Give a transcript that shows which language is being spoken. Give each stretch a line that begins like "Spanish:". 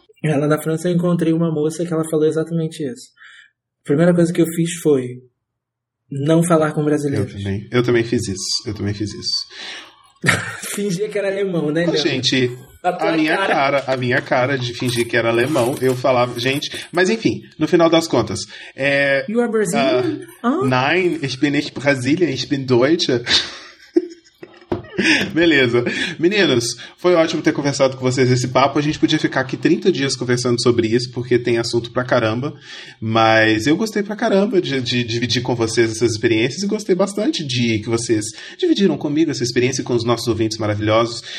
Portuguese: Lá na França eu encontrei uma moça que ela falou exatamente isso. A primeira coisa que eu fiz foi não falar com brasileiros. Eu também fiz isso. Fingia que era alemão, né, Leandro? Gente, a minha cara de fingir que era alemão, eu falava, gente, mas enfim, no final das contas.
English: You are Brazilian?
German: Nein, ich bin nicht Brazilian, ich bin Deutsche.
Portuguese: Beleza. Meninos, foi ótimo ter conversado com vocês esse papo. A gente podia ficar aqui 30 dias conversando sobre isso, porque tem assunto pra caramba. Mas eu gostei pra caramba de dividir com vocês essas experiências e gostei bastante de que vocês dividiram comigo essa experiência e com os nossos ouvintes maravilhosos.